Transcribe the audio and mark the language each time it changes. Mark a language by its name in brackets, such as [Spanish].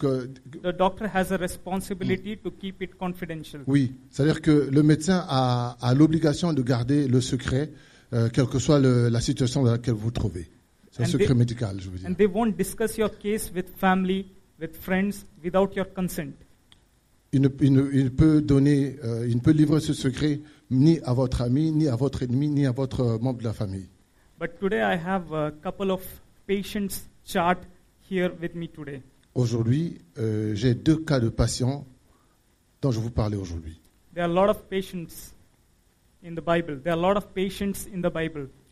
[English] the doctor has a responsibility to keep it confidential. [French] Oui, c'est-à-dire que le médecin a l'obligation de garder le secret, quelle que soit la situation dans laquelle vous trouvez. C'est un secret médical, je veux dire. [English] And they won't discuss your case with family, with friends, without your consent. [French] Il ne peut livrer ce secret ni à votre ami, ni à votre ennemi, ni à votre membre de la famille. [English] But today I have a couple of patients chart here with me today. [French] Aujourd'hui, j'ai deux cas de patients dont je vous parlais aujourd'hui. [English] There are a lot of patients in the Bible. There are a lot of patients in the Bible.